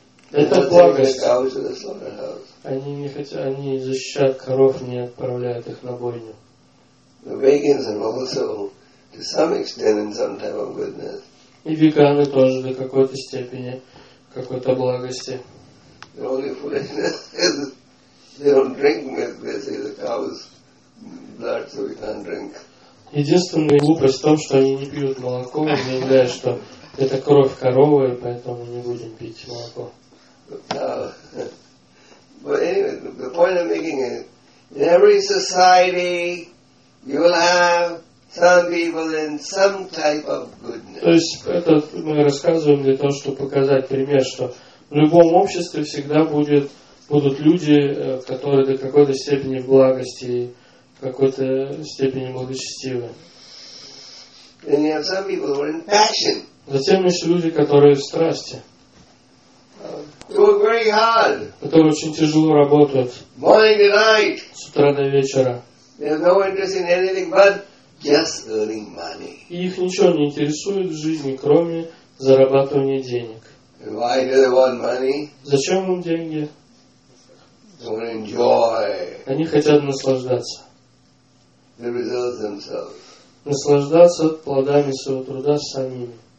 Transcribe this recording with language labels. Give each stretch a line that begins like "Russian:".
Russian: Это благость. Они не хотят, они защищают коров, не отправляют их на бойню. И веганы тоже до какой-то степени, какой-то благости.
English: The only foolishness is they don't drink milk. They say the cow's blood, so we can't drink.
Russian: Единственная глупость в том, что они не пьют молоко, заявляя, что это кровь коровы, поэтому не будем пить молоко.
English: But anyway, the point I'm making is, in every society, you will have some people in some type of goodness.
Russian: То есть это мы рассказываем для того, чтобы показать пример, что в любом обществе всегда будет будут люди, которые до какой-то степени в благости, в какой-то степени благочестивы.
English: And you have some people who are in passion.
Russian: Затем есть люди, которые в страсти.
English: Work very hard.
Russian: Которые очень тяжело работают.
English: Morning and night.
Russian: С утра до вечера.
English: They have no interest in anything but just earning money.
Russian: И их ничего не интересует в жизни, кроме зарабатывания денег.
English: And why do they want money?
Russian: Зачем им деньги?
English: They want to enjoy.
Russian: Они хотят наслаждаться.
English: The results themselves.
Russian: Наслаждаться плодами своего труда самими.